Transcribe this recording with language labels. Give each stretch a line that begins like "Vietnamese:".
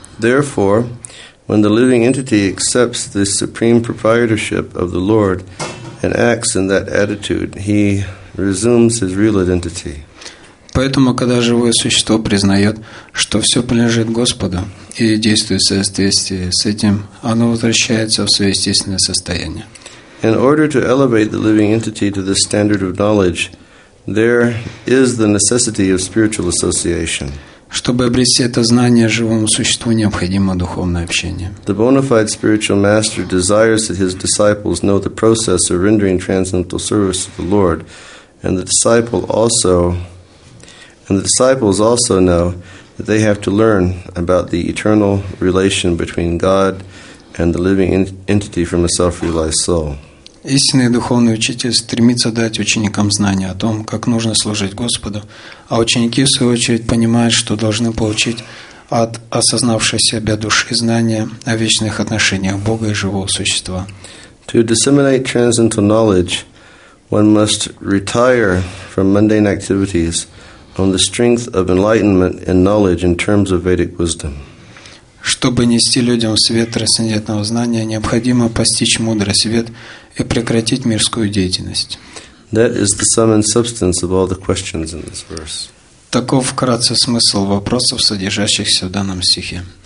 English: Therefore, when the living entity accepts the supreme proprietorship of the Lord, and acts in that attitude, he resumes his real identity.
Russian: Поэтому, когда живое существо признает, что все принадлежит Господу и действует в соответствии с этим, оно возвращается в свое естественное состояние.
English: In order to elevate the living entity to the standard of knowledge, there is the necessity of spiritual association.
Russian: Чтобы обрести это знание, живому существу необходимо духовное общение.
English: The bona fide spiritual master desires that his disciples know the process of rendering transcendental service to the Lord, and the disciple also, And the disciples also know that they have to learn about the eternal relation between God and the living entity from a self-realized soul.
Russian: Истинный духовный учитель стремится дать ученикам знания о том, как нужно служить Господу, а ученики, в свою очередь, понимают, что должны получить от осознавшей себя души знания о вечных отношениях Бога и живого существа.
English: To disseminate transcendental knowledge, one must retire from mundane activities on the strength of enlightenment and knowledge in terms of Vedic wisdom.
Russian: Чтобы нести людям свет трансцендентного знания, необходимо постичь мудрый свет и прекратить мирскую деятельность.
English: That is the sum and substance of all the questions in this verse.
Russian: Таков вкратце смысл вопросов, содержащихся в данном стихе.